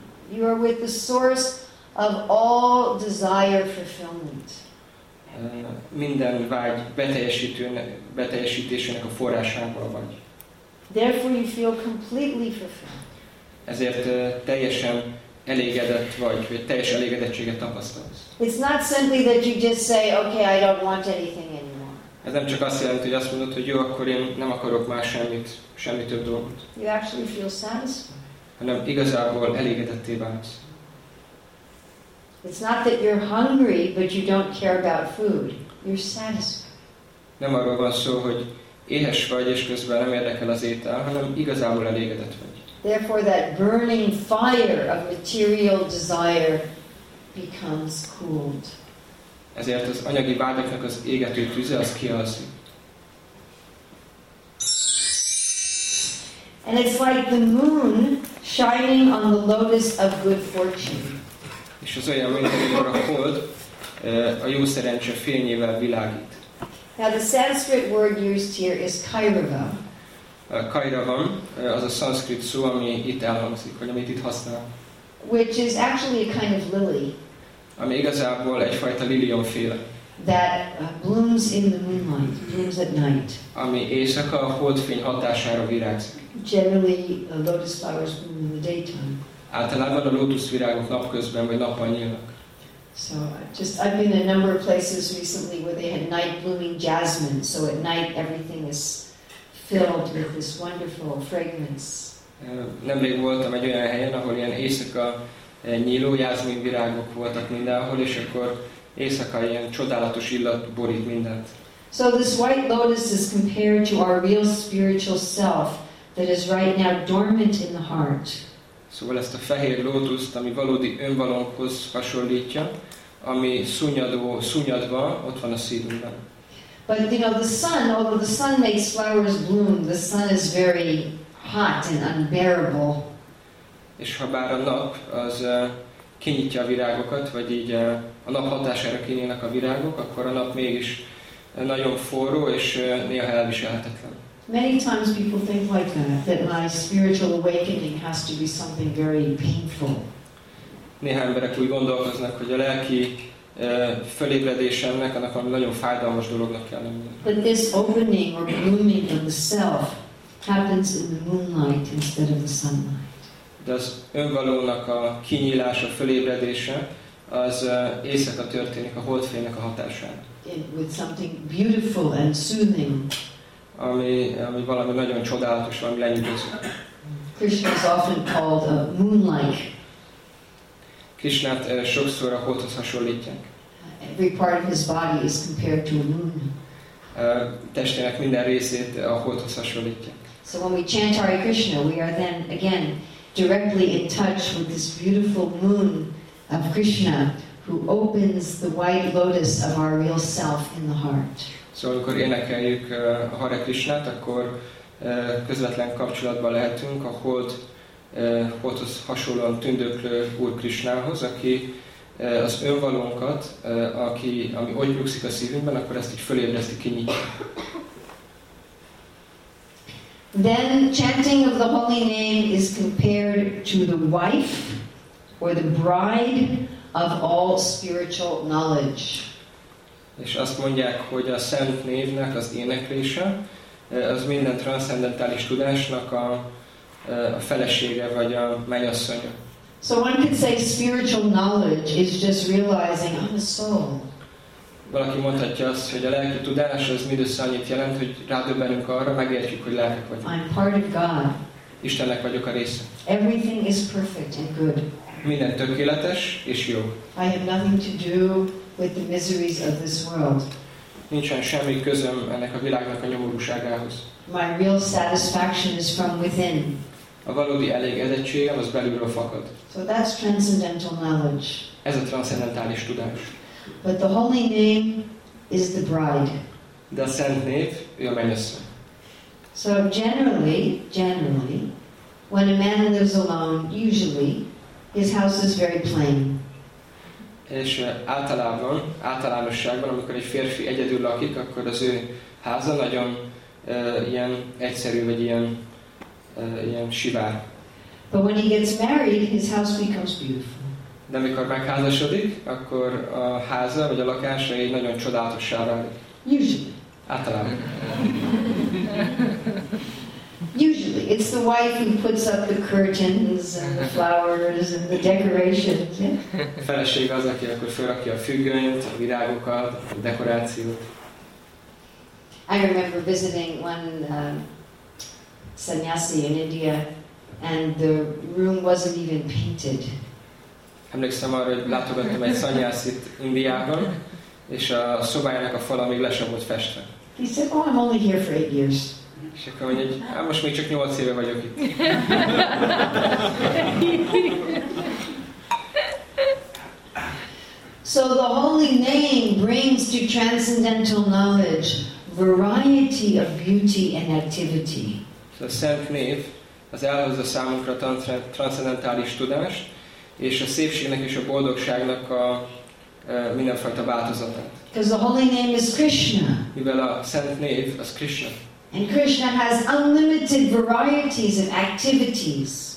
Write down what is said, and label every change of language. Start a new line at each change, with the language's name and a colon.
English: You are with the source of all desire fulfillment.
Hungarian: Minden vágy beteljesítésének a forrásában vagy.
English: Therefore you feel completely fulfilled.
Hungarian: Ezért teljesen elégedett vagy, hogy teljes elégedettséget tapasztalsz.
English: It's not simply that you just say, okay, I don't want anything anymore.
Hungarian: Ez nem csak azt jelenti, hogy azt mondod, hogy jó, akkor én nem akarok már semmi több dolgot.
English: You actually feel satisfied.
Hungarian: Hanem igazából elégedetté válsz.
English: It's not that you're hungry, but you don't care about food. You're satisfied.
Hungarian: Nem arról van szó, hogy éhes vagy, és közben nem érdekel az étel, hanem igazából elégedett vagy.
English: Therefore that burning fire of material desire becomes cooled.
Hungarian: Ezért az anyagi vágyaknak az égető tüze, az kialszik.
English: And it's like the moon shining on the lotus of good fortune.
Hungarian: És az olyan, mint amikor a hold a jó szerencse fényével világít.
English: Now the Sanskrit word used here is kairava.
Hungarian: Kairava, az a Sanskrit szó, ami itt elhangzik, vagy amit itt használ.
English: Which is actually a kind of lily.
Hungarian: Ami igazából egyfajta liliumféle.
English: That blooms in the moonlight, blooms at night.
Hungarian: Ami éjszaka a holdfény hatására virágzik.
English: Generally, lotus flowers bloom in the daytime.
Hungarian: Általában a lótuszvirágok napközben vagy nappal nyílnak.
English: So just I've been in a number of places recently where they had night blooming jasmine, so at night everything is filled with this wonderful fragrance.
Hungarian: Nemrég voltam egy olyan helyen, ahol ilyen éjszaka nyíló jázmin virágok voltak mindenhol, és akkor éjszaka ilyen csodálatos illat borít mindent.
English: So this white lotus is compared to our real spiritual self that is right now dormant in the heart.
Hungarian: Szóval ezt a fehér lótuszt, ami valódi önvalónkhoz hasonlítja, ami szunnyadva ott van a szívünkben.
English: But you know, the sun, although the sun makes flowers bloom, the sun is very hot and unbearable.
Hungarian: És ha bár a nap az kinyitja a virágokat, vagy így a nap hatására kinyílnak a virágok, akkor a nap mégis nagyon forró és néha elviselhetetlen.
English: Many times people think like that my spiritual awakening has to be something very painful.
Hungarian: Néhány emberek úgy gondolkoznak, hogy a lelki fölébredésemnek annak valami nagyon fájdalmas dolognak kell lennie.
English: But this opening or blooming of the self happens in the moonlight instead of the sunlight.
Hungarian: De az önvalónak a kinyílása, fölébredése az éjszaka történik a holdfénynek a hatásán.
English: With something beautiful and soothing.
Hungarian: Ami valami nagyon csodálatos, valami lenyűgöző.
English: Krishna is often called a moon-like.
Hungarian: Krishnát sokszor a holdhoz hasonlítják.
English: Every part of his body is compared to a moon.
Hungarian: Testének minden részét a holdhoz hasonlítják.
English: So when we chant Hare Krishna, we are then again directly in touch with this beautiful moon of Krishna, who opens the white lotus of our real self in the heart.
Hungarian: Szóval, amikor énekeljük a Hare Krishnát, akkor közvetlen kapcsolatban lehetünk a holdhoz hasonlóan tündöklő Úr Krishnához, aki az önvalónkat, ami ott nyugszik a szívünkben, akkor ezt így fölébreszti, kinyitja.
English: Then chanting of the holy name is compared to the wife or the bride of all spiritual knowledge.
Hungarian: És azt mondják, hogy a szent névnek az éneklése az minden transzcendentális tudásnak a felesége vagy a mennyasszonya.
English: So one could say spiritual knowledge is just realizing I'm a soul.
Hungarian: Valaki mondhatja azt, hogy a lelki tudás az mindössze annyit jelent, hogy rádöbbenünk arra, megértjük, hogy lelkek vagyunk.
English: I'm part of God.
Hungarian: Istennek vagyok a része.
English: Everything is perfect and good.
Hungarian: Minden tökéletes és jó.
English: I have nothing to do with the miseries of this world.
Hungarian: Nincsen semmi közöm ennek a világnak a nyomorúságához.
English: My real satisfaction is from within.
Hungarian: A valódi elégedettségem az belülről fakad.
English: So that's transcendental knowledge.
Hungarian: Ez a transzcendentális tudás.
English: But the holy name is the bride.
Hungarian: De a szent név, ő a mennyasszony.
English: So generally, when a man lives alone, usually his house is very plain.
Hungarian: És általánosságban, amikor egy férfi egyedül lakik, akkor az ő háza nagyon ilyen egyszerű, vagy ilyen sivár.
English: But when he gets married, his house becomes beautiful.
Hungarian: De amikor megházasodik, akkor a háza, vagy a lakása egy nagyon csodálatossá válik.
English: Usually.
Hungarian: Általában.
English: Usually. It's the wife who puts up the curtains and the flowers and the decorations.
Hungarian: A feleség az, aki akkor felrakja a függönyt, a virágokat, a dekorációt.
English: I remember visiting one sannyasi in India, and the room wasn't even painted.
Hungarian: Emlékszem arra, hogy látogattam egy szanyászit Indiában, és a szobájának a fala még le sem volt festve.
English: He said, oh, I'm only here for 8 years.
Hungarian: És akkor mondja, hogy hát most még csak 8 éve vagyok itt.
English: So the holy name brings to transcendental knowledge variety of beauty and activity.
Hungarian: So a szent név az elhozza számunkra transzcendentális tudást, és a szépségnek és a boldogságnak a mindenfajta változatát.
English: Because the holy name is Krishna.
Hungarian: Mivel a szent név az Krishna.
English: And Krishna has unlimited varieties of activities.